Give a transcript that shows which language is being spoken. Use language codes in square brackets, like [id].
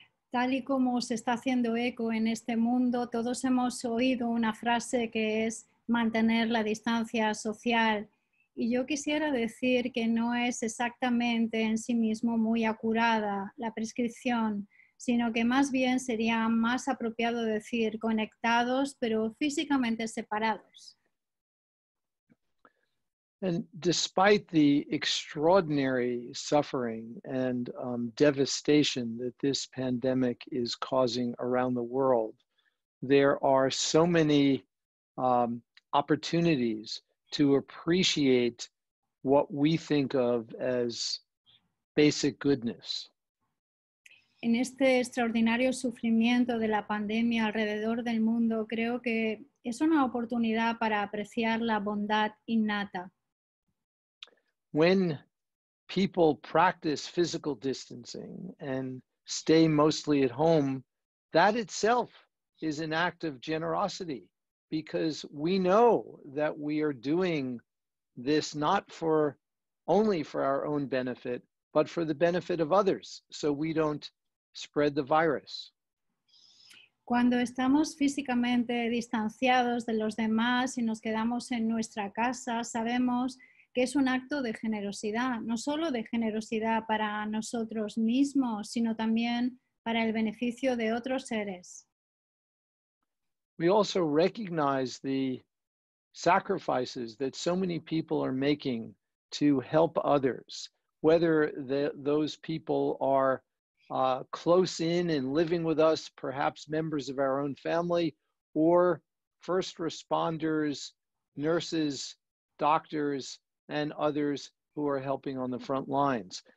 [es] Tal y como se está haciendo eco en este mundo, todos hemos oído una frase que es mantener la distancia social. Y yo quisiera decir que no es exactamente en sí mismo muy acurada la prescripción, sino que más bien sería más apropiado decir conectados, pero físicamente separados. [en] And despite the extraordinary suffering and devastation that this pandemic is causing around the world, there are so many opportunities to appreciate what we think of as basic goodness. [es] En este extraordinario sufrimiento de la pandemia alrededor del mundo, creo que es una oportunidad para apreciar la bondad innata. [en] When people practice physical distancing and stay mostly at home, that itself is an act of generosity, because we know that we are doing this not for only for our own benefit, but for the benefit of others, so we don't spread the virus. [es] Cuando estamos físicamente distanciados de los demás y nos quedamos en nuestra casa, sabemos que es un acto de generosidad, no solo de generosidad para nosotros mismos, sino también para el beneficio de otros seres. [en] We also recognize the sacrifices that so many people are making to help others, whether those people are close in and living with us, perhaps members of our own family, or first responders, nurses, doctors, and others who are helping on the front lines.